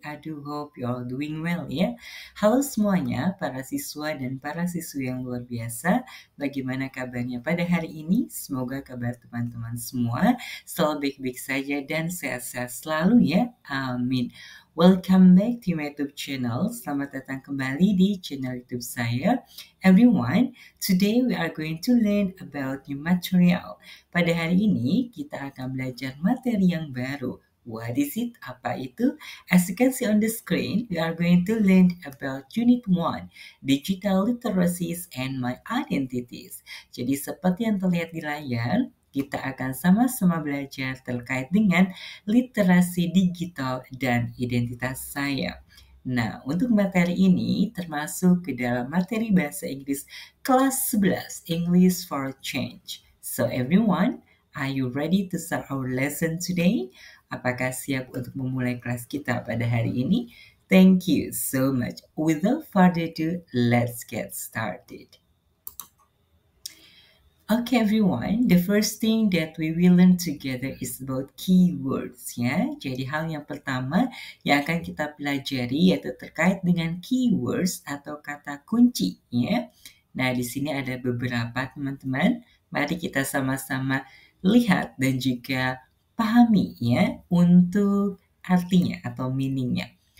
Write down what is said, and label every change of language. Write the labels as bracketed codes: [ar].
[en] I do hope you are doing well ya. [id] Halo semuanya, para siswa dan para siswi yang luar biasa. Bagaimana kabarnya pada hari ini? Semoga kabar teman-teman semua selalu baik-baik saja dan sehat-sehat selalu ya. [en] Amin. Welcome back to my YouTube channel. [id] Selamat datang kembali di channel YouTube saya. [en] Everyone, today we are going to learn about new material. [id] Pada hari ini, kita akan belajar materi yang baru. [en] What is it? [id] Apa itu? [en] As you can see on the screen, we are going to learn about Unit 1, Digital Literacies and My Identities. [id] Jadi, seperti yang terlihat di layar, kita akan sama-sama belajar terkait dengan literasi digital dan identitas saya. Nah, untuk materi ini termasuk ke dalam materi bahasa Inggris kelas 11, English for Change. [en] So everyone, are you ready to start our lesson today? [id] Apakah siap untuk memulai kelas kita pada hari ini? [en] Thank you so much. Without further ado, let's get started. Okay everyone, the first thing that we will learn together is about keywords ya. [id] Jadi hal yang pertama yang akan kita pelajari yaitu terkait dengan keywords atau kata kunci ya. Nah, di sini ada beberapa teman-teman. Mari kita sama-sama lihat dan juga pahami ya untuk artinya atau meaningnya.